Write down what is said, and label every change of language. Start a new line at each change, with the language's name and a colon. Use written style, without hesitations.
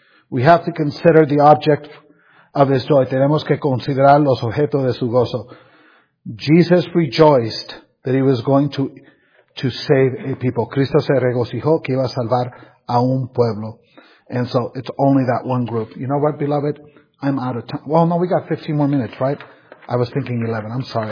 English: We have to consider the object of his joy.
Spanish: Tenemos que considerar los objetos de su gozo.
English: Jesus rejoiced that he was going to save a people.
Spanish: Cristo se regocijó que iba a salvar a un pueblo.
English: And so, it's only that one group. You know what, beloved? I'm out of time. Well, no, we got 15 more minutes, right? I was thinking 11. I'm sorry.